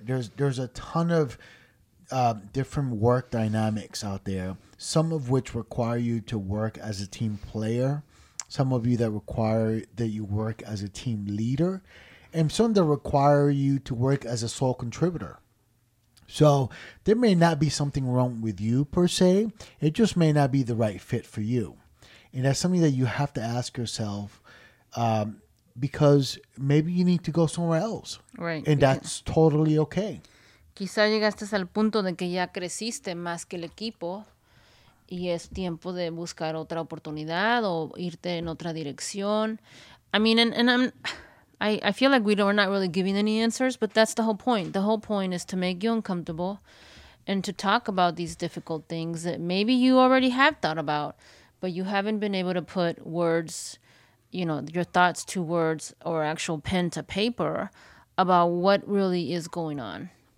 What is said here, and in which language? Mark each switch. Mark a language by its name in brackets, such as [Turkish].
[English] There's a ton of different work dynamics out there, some of which require you to work as a team player, some of you that require that you work as a team leader, and some that require you to work as a sole contributor. So there may not be something wrong with you per se. It just may not be the right fit for you. And that's something that you have to ask yourself, because maybe you need to go somewhere else. Right. And that's totally okay. [Spanish] Quizá llegaste al punto de que ya creciste más que el equipo y es tiempo de buscar otra oportunidad o irte en otra dirección. [English] I mean, I feel like we're not really giving any answers, but that's the whole point. The whole point is to make you uncomfortable and to talk about these difficult things that maybe you already have thought about, but you haven't been able to put words, you know, your thoughts to words or actual pen to paper about what really is going on.